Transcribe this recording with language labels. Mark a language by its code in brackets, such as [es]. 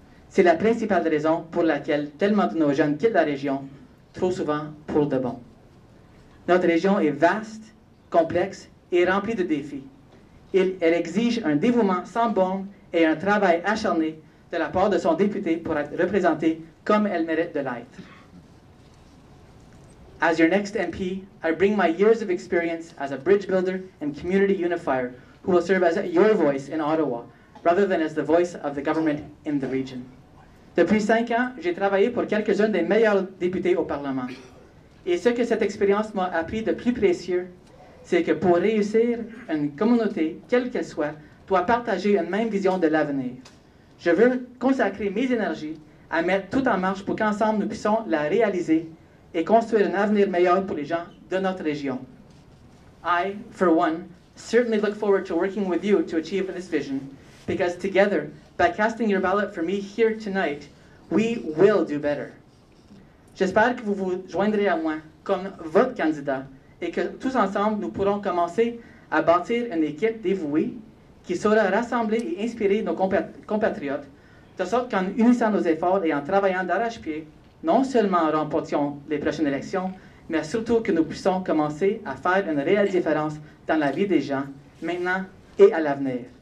[fr] C'est la principale raison pour laquelle tellement de nos jeunes quittent la région, trop souvent pour de bon. Notre région est vaste, complexe et remplie de défis. Elle exige un dévouement sans borne et un travail acharné de la part de son député pour être représentée comme elle mérite de l'être. [en] As your next MP, I bring my years of experience as a bridge builder and community unifier who will serve as your voice in Ottawa, rather than as the voice of the government in the region. [fr] Depuis 5 ans, j'ai travaillé pour quelques-uns des meilleurs députés au Parlement. Et ce que cette expérience m'a appris de plus précieux, c'est que pour réussir, une communauté, quelle qu'elle soit, doit partager une même vision de l'avenir. Je veux consacrer mes énergies à mettre tout en marche pour qu'ensemble nous puissions la réaliser et construire un avenir meilleur pour les gens de notre région. [en] I, for one, certainly look forward to working with you to achieve this vision, because together, by casting your ballot for me here tonight, we will do better. [fr] J'espère que vous vous joindrez à moi comme votre candidat et que tous ensemble, nous pourrons commencer à bâtir une équipe dévouée qui saura rassembler et inspirer nos compatriotes, de sorte qu'en unissant nos efforts et en travaillant d'arrache-pied, non seulement remportions les prochaines élections, mais surtout que nous puissions commencer à faire une réelle différence dans la vie des gens, maintenant et à l'avenir.